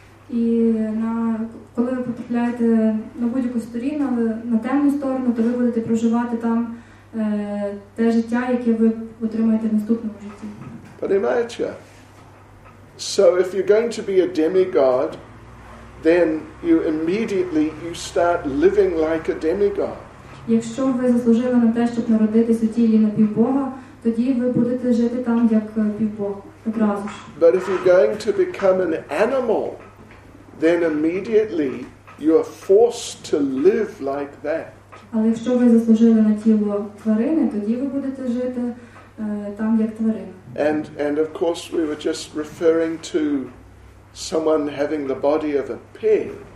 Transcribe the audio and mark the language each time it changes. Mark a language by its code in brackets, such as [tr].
[uk] І на коли ви потрапляєте на будь-яку сторону, але на темну сторону, то ви будете проживати там те життя, яке ви отримаєте в наступному житті. [ru] Понимаете? [en] So if you're going to be a demigod, then you immediately you start living like a demigod. [uk] Якщо ви заслужили на те, щоб народитися у тілі напівбога, тоді ви будете жити там як півбог одразу ж. [en] But if you're going to become an animal, then immediately you are forced to live like that. [uk] Але якщо ви заслужили на тіло тварини, тоді ви будете жити там як тварина. [en] And of course we were just referring to someone having the body of a pig.